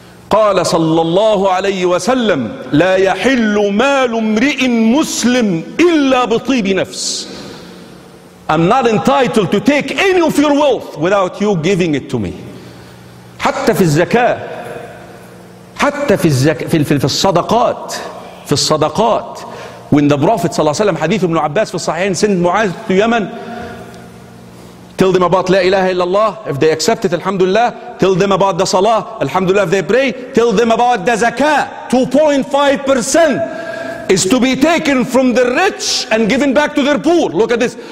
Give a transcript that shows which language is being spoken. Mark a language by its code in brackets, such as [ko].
[ar] قال صلى الله عليه وسلم لا يحل مال امرئ مسلم إلا بطيب نفس. [en] I'm not entitled to take any of your wealth without you giving it to me. [ar] حتى في الزكاة, حتى في الزك في في في الصدقات, في الصدقات. [en] When the Prophet صلى الله عليه وسلم, [ar] حديث ابن عباس في الصحيحين, [en] send معاذ to Yemen, tell them about [ar] لا إله إلا الله, [en] if they accept it [ar] الحمد لله, [en] tell them about the صلاة الحمد لله, if they pray, tell them about the زكاة. 2.5% is to be taken from the rich and given back to their poor. Look at this.